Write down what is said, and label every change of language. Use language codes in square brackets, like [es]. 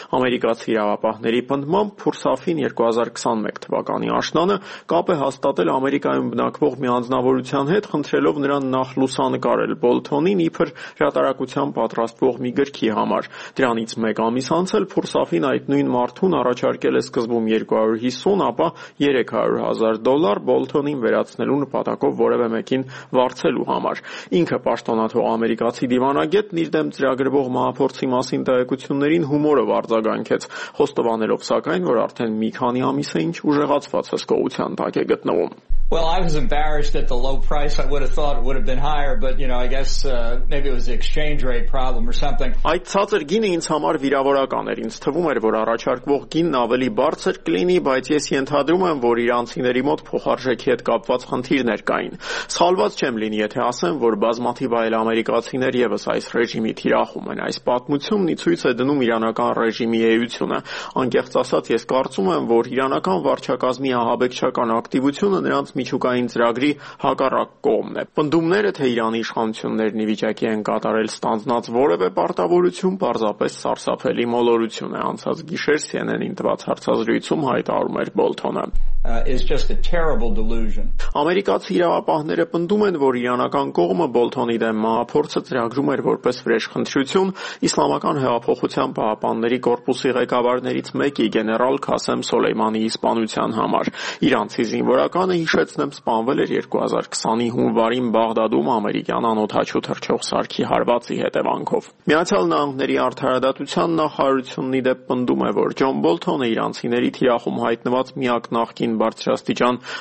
[hy] Ամերիկացի իրավապահների պնդմամբ Փուրսաֆին 2021 թվականի աշնանը կապ է հաստատել Ամերիկայում բնակվող մի անձնավորության հետ, խնդրելով նրան նախ լուսանկարել Բոլթոնին իբր հրատարակության պատրաստվող մի գրքի համար։ Դրանից մեկ ամիս անցել Փուրսաֆին այդ նույն մարդուն առաջարկել է սկզբում 250, ապա 300 հազար դոլար Բոլթոնին վերացնելու նպատակով որևէ մեկին վարձելու համար։ Ինքը պաշտոնաթող ամերիկացի դիվանագետն իր դեմ ծրագրվող մահափորձի մասին տեղեկություններին հումորով արձագանքեց, խոստովանելով սակայն, որ արդեն մի քանի ամիս է ինչ ուժեղացված հսկողության տակ է գտնվում։ [en] Well, I was embarrassed at the low price. I would have thought it would have been higher, but you know, I guess maybe it was the exchange rate problem or something. [hy] Այդ ցածր գինը ինձ համար վիրավորական էր, ինձ թվում էր, որ առաջարկվող գինն ավելի բարձր կլինի, բայց ես ենթադրում եմ, որ իրանցիների մոտ փոխարժեքի հետ կապված խնդիրներ կային։ Սխալված չեմ լինի, եթե ասեմ, որ բազմաթիվ այլ ամերիկացիներ եւս այս ռեժիմի թիրախում են։ Այս պատմությունն ի ցույց է դնում իրանական ռեժիմի էությունը։ Անկեղծ ասած, ես կարծում եմ, որ իրանական վարչակազմի ահաբեկչական ակտիվությունը նրանց միջուկային ծրագրի հակառակ կողմն է։ Պնդումները, թե Իրանի իշխանություններն ի վիճակի են կատարել ստանձնած որևէ պարտավորություն, պարզապես սարսափելի մոլորություն է, անցած գիշեր CNN-ին տված հարցազրույցում հայտարարում էր Բոլթոնը։ [en] It's just a terrible delusion. [hy] Ամերիկացի իրավապահները պնդում են, որ իրանական կողմը Բոլթոնի դեմ մահափորձը ծրագրում էր որպես վրեժխնդրություն Իսլամական հեղափոխության պահապանների կորպուսի ղեկավարներից մեկի գեներալ Քասեմ Սոլեյմանի իսպանության համար։ Իրանցի զինվորականը, հիշեցնեմ, սպանվել էր 2020-ի հունվարին Բաղդադում ամերիկյան անօթաչու թռչող սարքի հարվածի հետևանքով։ Միացյալ Նահանգների արդարադատության նախարարությունն ի դեպ պնդում է, որ Ջոն Բոլթոնը իրանցիների թիրախում հայտնված միակ նախկին բարձրաստիճան